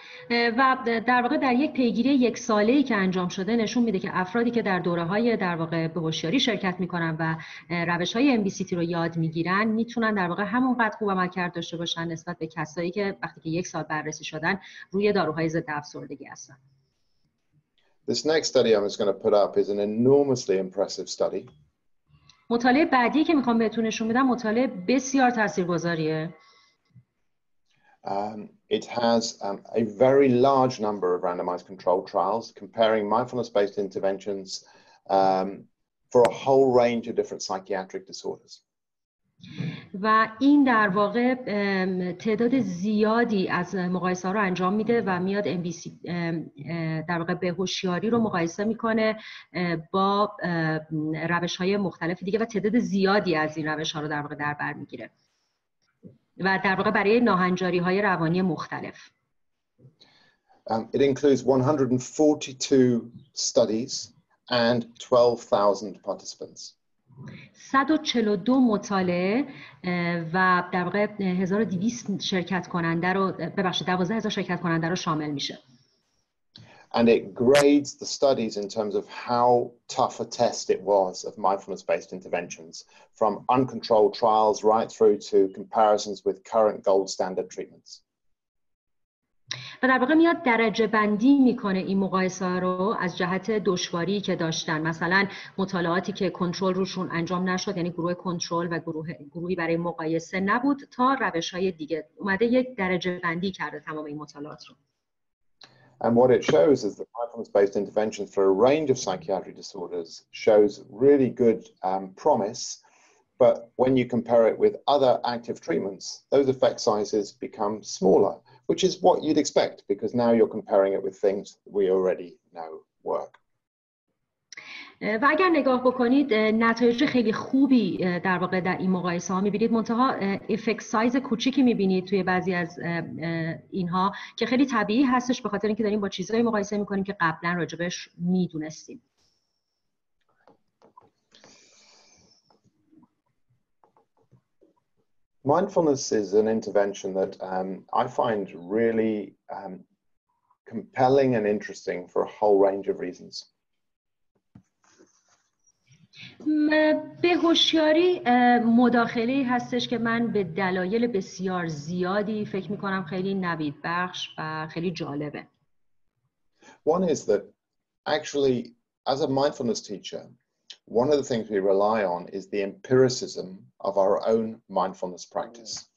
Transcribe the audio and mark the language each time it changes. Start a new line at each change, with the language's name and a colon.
Persian: و در واقع در یک پیگیری یک ساله‌ای که انجام شده نشون میده که افرادی که در دوره‌های در واقع به هوشیاری شرکت می‌کنن و روش‌های MBCT رو یاد می‌گیرن میتونن در واقع همونقدر خوب عملکرد داشته باشن نسبت به کسایی که وقتی که یک سال بررسی شدن روی داروهای ضد افسردگی هستن.
English: This next study I'm going to put up is an enormously impressive study.
Persian: مطالعه بعدی که می‌خوام بهتون نشون بدم مطالعه بسیار تاثیرگذاریه.
English: It has a very large number of randomized controlled trials comparing mindfulness-based interventions for a whole range of different psychiatric disorders.
Persian: و این در واقع تعداد زیادی از مقایسه رو انجام میده و میاد MBCT در واقع به هوشیاری رو مقایسه میکنه با روش‌های مختلف دیگه و تعداد زیادی از این روش‌ها رو در واقع در بر میگیره. و در واقع برای ناهنجاری‌های روانی مختلف.
English: It includes 142 studies and 12,000 participants.
Persian: 142 مطالعه و در واقع 1200 شرکت کننده رو ببخشید 12,000 شرکت کننده رو شامل میشه.
English: And it grades the studies in terms of how tough a test it was of mindfulness-based interventions, from uncontrolled trials right through to comparisons with current gold standard treatments.
Persian: و در واقع میاد درجه بندی میکنه این مقایسه رو از جهت دشواری که داشتن، مثلا مطالعاتی که کنترل روشون انجام نشد، یعنی گروه کنترل و گروهی برای مقایسه نبود، تا روش های دیگه. اومده یک درجه بندی کرده تمام این مطالعات رو.
English: And what it shows is that mindfulness-based interventions for a range of psychiatric disorders shows really good promise, but when you compare it with other active treatments, those effect sizes become smaller, which is what you'd expect because now you're comparing it with things we already know work.
Persian: و اگر نگاه بکنید نتایج خیلی خوبی در واقع در این مقایسه ها میبینید، منتها افکت سایز کوچیکی میبینید توی بعضی از اینها که خیلی طبیعی هستش به خاطر اینکه داریم با چیزهای مقایسه میکنیم که قبلا راجبش میدونستیم.
English: So Mindfulness is an intervention that I find really compelling and interesting for a whole range of reasons.
Persian: به هوشیاری مداخله‌ای هستش که من به دلایل بسیار زیادی فکر می‌کنم خیلی نویدبخش و خیلی جالبه.
English: One is that actually as a mindfulness teacher, one of the things we rely on is the empiricism of our own mindfulness practice.